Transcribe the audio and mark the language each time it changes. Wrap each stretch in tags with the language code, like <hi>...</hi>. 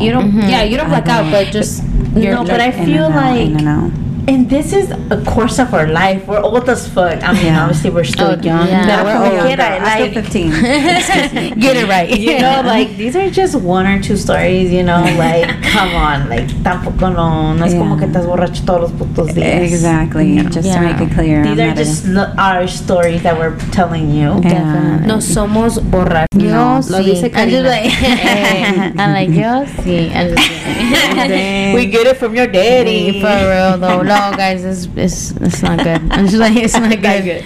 <en>You don't. Mm-hmm. Yeah, you don't black out, but just you're. No, but I feel like. And this is a course of our life. We're old as fuck. I mean, obviously, we're still young. Yeah, but we're old. Get it, like, I'm still 15. Get it right. You know, like, these are just one or two stories, you know? Like, come on. Like,</en> <es>tampoco no. No es como que estás borracho todos los putos días.</es> <en>Exactly. Yeah. Just to make it clear. These are just our stories that we're telling you. Definitely.</en> <es>No somos borrachos. Yo sí. Lo dice Karina.</es> <en>I'm like, I'm like,</en> <es>yo sí.</es> <en>We get it from your daddy. For real, though. No, guys, it's not good. I'm just like, it's not good.</en>